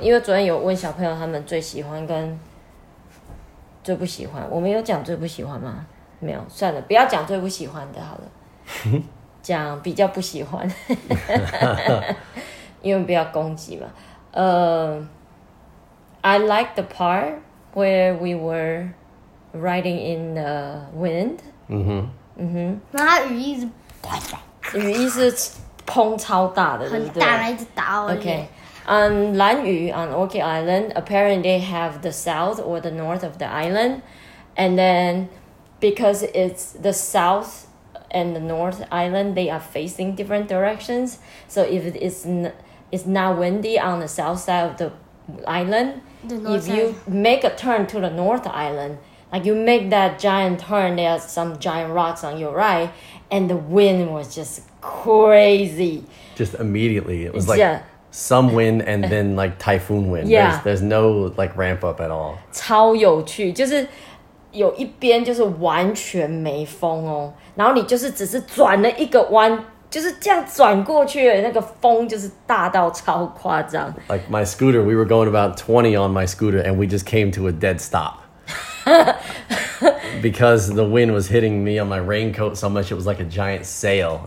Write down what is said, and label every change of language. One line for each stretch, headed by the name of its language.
Chinese: 因为昨天有问小朋友他们最喜欢跟最不喜欢，我们有讲最不喜欢吗？没有，算了，不要讲最不喜欢的好了，讲比较不喜欢，因为不要攻击嘛。
English: I like the part where we were riding in the wind. 嗯哼，嗯哼，
Chinese: 那雨衣是，雨衣是风超大的，很大，一直打我。
English: Okay. On 蘭嶼, on Orchid Island, apparently they have the south or the north of the island. And then because it's the south and the north island, they are facing different directions. So if it's not windy on the south side of the island, you make a turn to the north island, like you make that giant turn, there are some giant rocks on your right, and the wind was just crazy. Just immediately, it was like... Some wind and then like typhoon wind. Yeah. There's no like ramp up at all.
Chinese: 超有趣，就是有一边就是完全没风哦，然后你就是只是转了一个弯，就是这样转过去，那个风就是大到超夸张。
English: Like my scooter, we were going about 20 on my scooter and we just came to a dead stop. Because the wind was hitting me on my raincoat so much, it was like a giant sail.